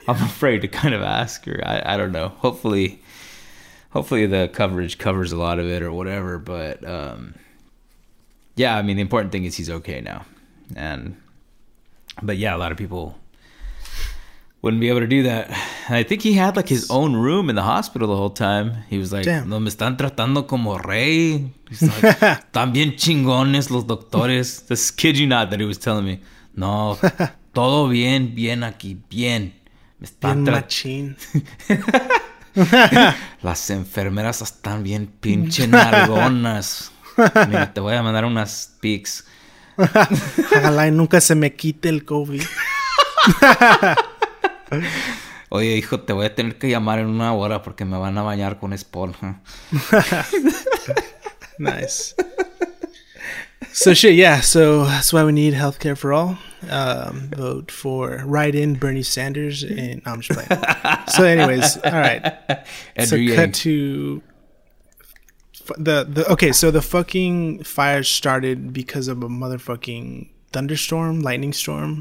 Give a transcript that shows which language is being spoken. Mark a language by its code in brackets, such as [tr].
[en] I'm afraid to kind of ask, or I don't know. Hopefully the coverage covers a lot of it or whatever. But yeah, I mean, the important thing is he's okay now. And, but yeah, a lot of people wouldn't be able to do that. And I think he had like his own room in the hospital the whole time. He was like, damn. [es] No me están tratando como rey. [en] He's like, [es] también chingones los doctores. [en] This, kid you not, that he was telling me, [es] no, todo bien, bien aquí, bien. Me están bien machín. Las enfermeras están bien pinche nargonas. Mira, te voy a mandar unas pics. Ojalá y nunca se me quite el COVID. Oye, hijo, te voy a tener que llamar en una hora porque me van a bañar con esponja. [en] Nice. So shit, yeah, so that's why we need healthcare for all. Vote for, write in Bernie Sanders, and I'm just playing. So anyways, all right. Andrew, so Yang. Cut to the okay, so the fucking fire started because of a motherfucking thunderstorm, lightning storm.